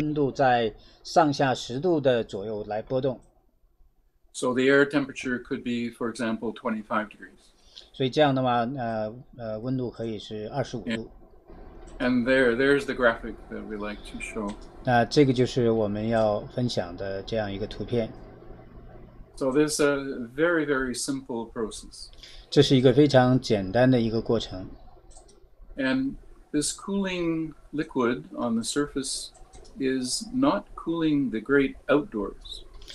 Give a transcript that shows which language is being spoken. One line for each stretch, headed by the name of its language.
Chinese: 这样的话，我们就可以控制在温度在上下10度的左右来波动。
English: So the air temperature could be, for example, 25 degrees.
Chinese: 所以这样的话，温度可以是25度。
English: And there's the graphic that we like to show.
Chinese: 那这个就是我们要分享的这样一个图片。
English: So this is a very, very simple process.
Chinese: 这是一个非常简单的一个过程。
English: And this cooling liquid on the surface is not cooling the great outdoors.